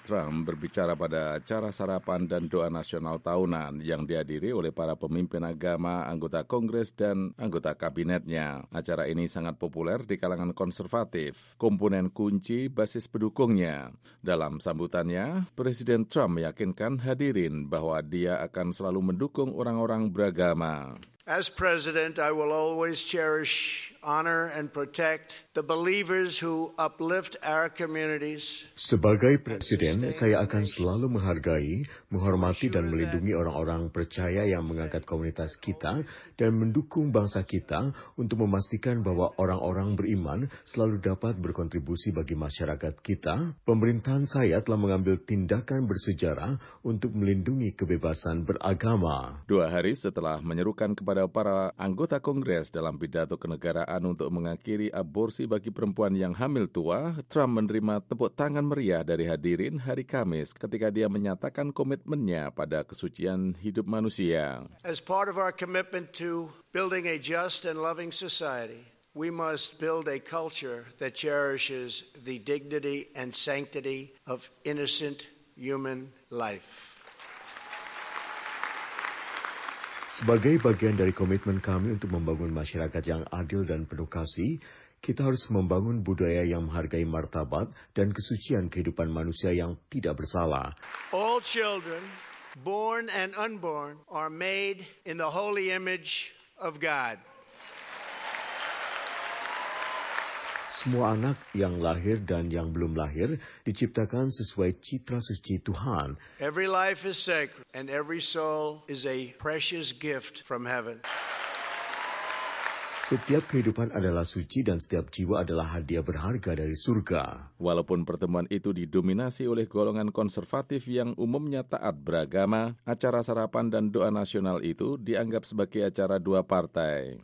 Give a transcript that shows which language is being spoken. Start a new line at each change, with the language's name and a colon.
Indonesian: Trump berbicara pada acara sarapan dan doa nasional tahunan yang dihadiri oleh para pemimpin agama, anggota Kongres, dan anggota kabinetnya. Acara ini sangat populer di kalangan konservatif, komponen kunci basis pendukungnya. Dalam sambutannya, Presiden Trump meyakinkan hadirin bahwa dia akan selalu mendukung orang-orang beragama.
English: As president, I will always cherish, honor, and protect the believers who uplift our communities.
Indonesian: Sebagai presiden, saya akan selalu menghargai, menghormati, dan melindungi orang-orang percaya yang mengangkat komunitas kita dan mendukung bangsa kita untuk memastikan bahwa orang-orang beriman selalu dapat berkontribusi bagi masyarakat kita. Pemerintahan saya telah mengambil tindakan bersejarah untuk melindungi kebebasan beragama. Dua hari setelah menyerukan kepada para anggota Kongres dalam pidato kenegaraan untuk mengakhiri aborsi bagi perempuan yang hamil tua, Trump menerima tepuk tangan meriah dari hadirin hari Kamis ketika dia menyatakan komitmennya pada kesucian hidup manusia.
English: As part of our commitment to building a just and loving society, we must build a culture that cherishes the dignity and sanctity of innocent human life.
Indonesian: Sebagai bagian dari komitmen kami untuk membangun masyarakat yang adil dan penuh kasih, kita harus membangun budaya yang menghargai martabat dan kesucian kehidupan manusia yang tidak bersalah.
English: All children, born and unborn, are made in the holy image of God.
Indonesian: Semua anak yang lahir dan yang belum lahir diciptakan sesuai citra suci Tuhan.
English: Every life is sacred and every soul is a precious gift from heaven.
Indonesian: Setiap kehidupan adalah suci dan setiap jiwa adalah hadiah berharga dari surga. Walaupun pertemuan itu didominasi oleh golongan konservatif yang umumnya taat beragama, acara sarapan dan doa nasional itu dianggap sebagai acara dua partai.